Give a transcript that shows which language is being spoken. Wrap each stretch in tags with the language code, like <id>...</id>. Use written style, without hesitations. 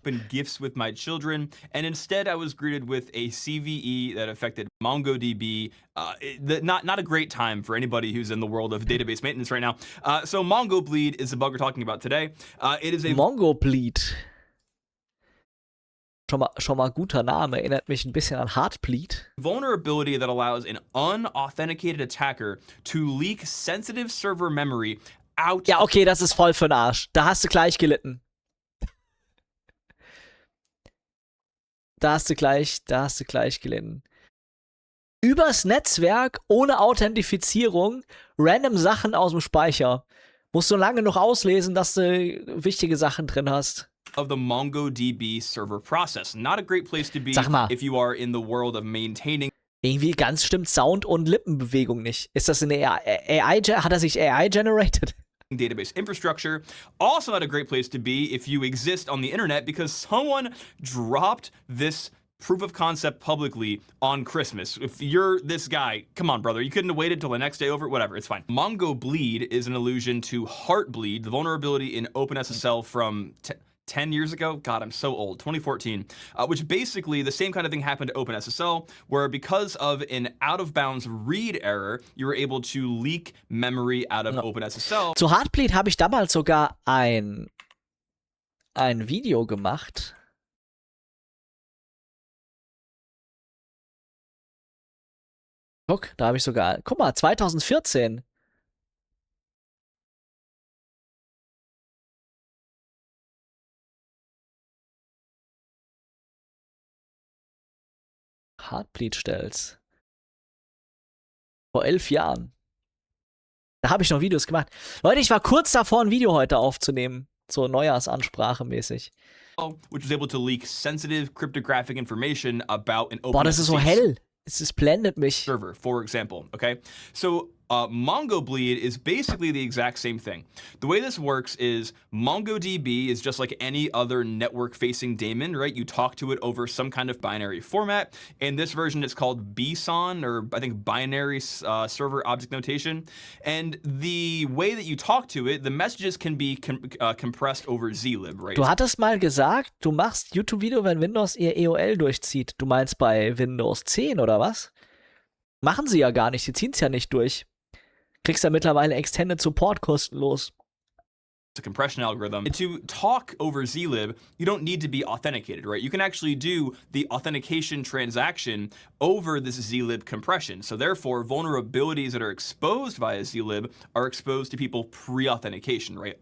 <en>Open gifts with my children, and instead I was greeted with a CVE that affected MongoDB. Not a great time for anybody who's in the world of database maintenance right now. So MongoBleed is the bug we're talking about today. It is a MongoBleed.</en> <de>Schon mal guter Name, erinnert mich ein bisschen an Heartbleed.</de> <en>Vulnerability that allows an unauthenticated attacker to leak sensitive server memory out.</en> <de>Ja, okay, das ist voll für den Arsch. Da hast du gleich gelitten. Da hast du gleich gelitten. Übers Netzwerk ohne Authentifizierung random Sachen aus dem Speicher. Musst du lange noch auslesen, dass du wichtige Sachen drin hast.</de> <en>Of the MongoDB server process. Not a great place to be if you are in the world of maintaining.</en> <de>Irgendwie ganz stimmt Sound und Lippenbewegung nicht. Ist das eine AI? Hat er sich AI generated?</de> <en>Database infrastructure. Also not a great place to be if you exist on the internet because someone dropped this proof of concept publicly on Christmas. If you're this guy, come on, brother. You couldn't have waited till the next day over? Whatever, it's fine. Mongo Bleed is an allusion to Heartbleed, the vulnerability in OpenSSL from 10 years ago. God, I'm so old. 2014, which basically the same kind of thing happened to OpenSSL, where because of an out-of-bounds read error, you were able to leak memory out of OpenSSL.</en> <de>Zu Heartbleed habe ich damals sogar ein Video gemacht. Guck, da habe ich sogar, guck mal, 2014. Heartbleed stellst. Vor 11 Jahren. Da habe ich noch Videos gemacht. Leute, ich war kurz davor, ein Video heute aufzunehmen. So Neujahrsansprache mäßig.</de> <en>Which was able to leak sensitive cryptographic information about an open.</en> <de>Boah, das ist so hell.</de> <en>It's just blended</en> <de>mich.</de> <en>Server, for example, okay? So, Mongo Bleed is basically the exact same thing. The way this works is MongoDB is just like any other network-facing daemon, right? You talk to it over some kind of binary format. In this version, it's called BSON, or I think binary server object notation. And the way that you talk to it, the messages can be compressed over zlib, right?</en> <de>Du hattest mal gesagt, du machst YouTube-Video, wenn Windows ihr EOL durchzieht. Du meinst bei Windows 10, oder was? Machen sie ja gar nicht, sie ziehen es ja nicht durch. Kriegst ja mittlerweile Extended Support kostenlos.</de> <en>It's a compression algorithm. And to talk over zlib, you don't need to be authenticated, right? You can actually do the authentication transaction over this zlib compression. So therefore, vulnerabilities that are exposed via zlib are exposed to people pre-authentication, right?</en>